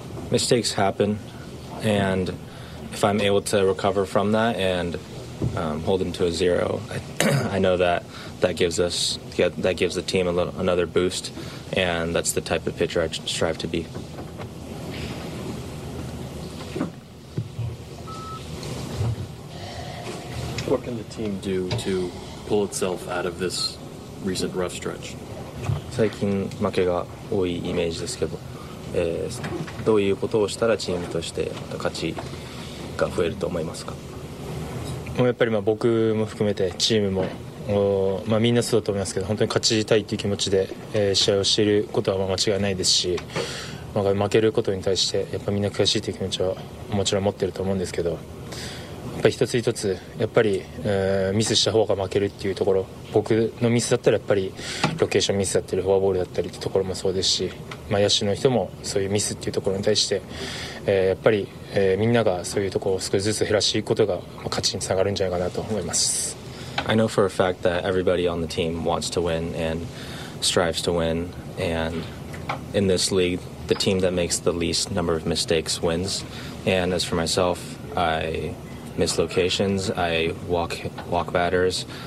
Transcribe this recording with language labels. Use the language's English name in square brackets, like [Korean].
[English] Mistakes happen, and if I'm able to recover from that and hold them to a zero, I know that gives the team another boost, and that's the type of pitcher I strive to be. What can the team do to pull itself out of this recent rough stretch? [Japanese] 最近負けが多いイメージですけど、どういうことをしたらチームとしてまた価値が増えると思いますか？やっぱりまあ僕も含めてチームも、まあ、みんなそうだと思いますけど、本当に勝ちたいという気持ちで、試合をしていることはまあ間違いないですし、まあ、負けることに対してやっぱみんな悔しいという気持ちはもちろん持っていると思うんですけど、やっぱり一つ一つやっぱり、ミスした方が負けるというところ、僕のミスだったらやっぱりロケーションミスだったりフォアボールだったりというところもそうですし、まあ、野手の人もそういうミスというところに対して、やっぱり、みんながそういうところを少しずつ減らしていくことが、まあ、勝ちにつながるんじゃないかなと思います。 [English] I know for a fact that everybody on the team wants to win and strives to win, and in this league, the team that makes the least number of mistakes wins. And as for myself, I miss locations, I walk batters.